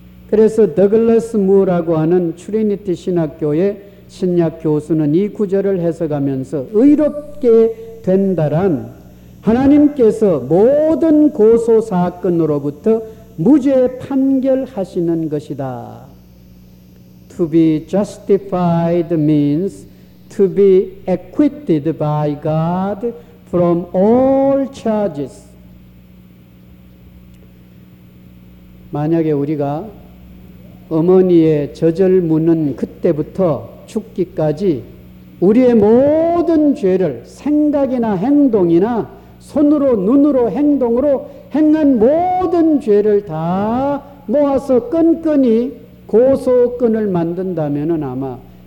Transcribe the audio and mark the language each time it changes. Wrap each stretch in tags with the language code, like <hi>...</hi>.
<ko>그래서 더글러스 무어라고 하는 트리니티 신학교의 신약 교수는 이 구절을 해석하면서 의롭게 된다란 하나님께서 모든 고소 사건으로부터 무죄 판결하시는 것이다.</ko> <en>To be justified means to be acquitted by God from all charges.</en> <ko>만약에 우리가 어머니의 젖을 무는 그때부터 죽기까지 우리의 모든 죄를 생각이나 행동이나 손으로 눈으로 행동으로 행한 모든 죄를 다 모아서 끈끈이 고소권을 만든다면은 아마</ko>